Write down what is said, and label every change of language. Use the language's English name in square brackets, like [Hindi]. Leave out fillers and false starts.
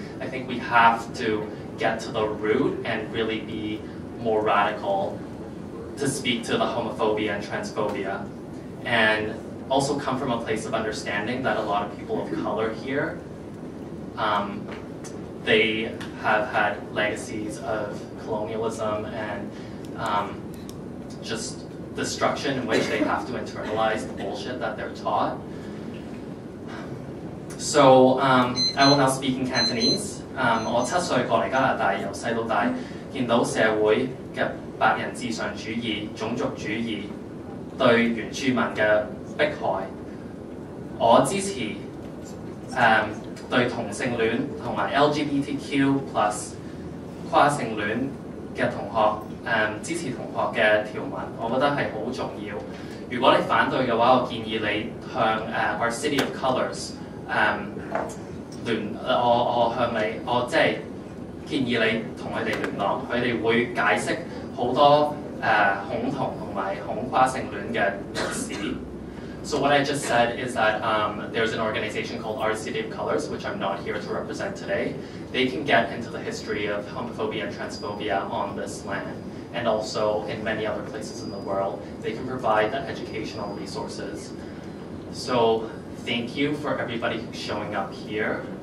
[English] I think we have to get to the root and really be more radical to speak to the homophobia and transphobia, and also come from a place of understanding that a lot of people of color here, they have had legacies of colonialism and just destruction in which they have to internalize the bullshit that they're taught. So I will now speak in Cantonese. [Cantonese] 我七歲過來加拿大，由細到大見到社會嘅白人至上主義、種族主義對原住民嘅迫害。我支持對同性戀同埋LGBTQ plus 跨性戀嘅同學支持同學嘅條文，我覺得係好重要。如果你反對嘅話，我建議你向our City of Colors 建議你同佢哋聯絡，佢哋會解釋好多恐同同埋恐跨性戀嘅歷史。 [English] So what I just said is that there's an organization called Our City of Colors, which I'm not here to represent today. They can get into the history of homophobia and transphobia on this land, and also in many other places in the world. They can provide the educational resources. So thank you for everybody who's showing up here.